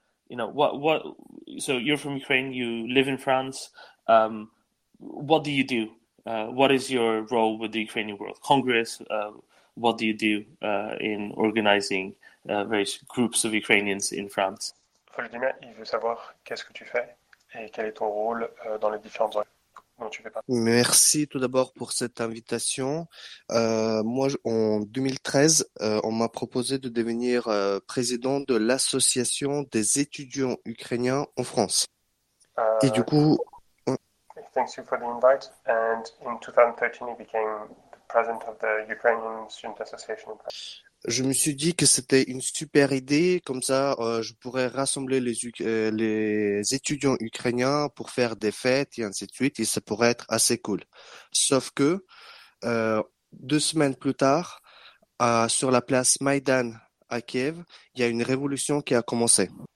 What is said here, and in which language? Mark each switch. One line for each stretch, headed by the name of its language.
English: So you're from Ukraine, you live in France. What do you do? What is your role with the Ukrainian World Congress? What do you do in organizing various groups of Ukrainians in France?
French: Volodymyr, il veut savoir qu'est-ce que tu fais et quel est ton rôle dans les différentes organisations dont tu fais partie. Merci tout d'abord pour cette invitation. En 2013, on m'a proposé de devenir président de l'association des étudiants ukrainiens en France. Et du coup...
English: Thank you for the invite. And in 2013, you became the president of the Ukrainian Student Association in France.
French: Je me suis dit que c'était une super idée, comme ça je pourrais rassembler les étudiants ukrainiens pour faire des fêtes et ainsi de suite, et ça pourrait être assez cool. Sauf que deux semaines plus tard, Sur la place Maïdan à Kiev, il y a une révolution qui a commencé.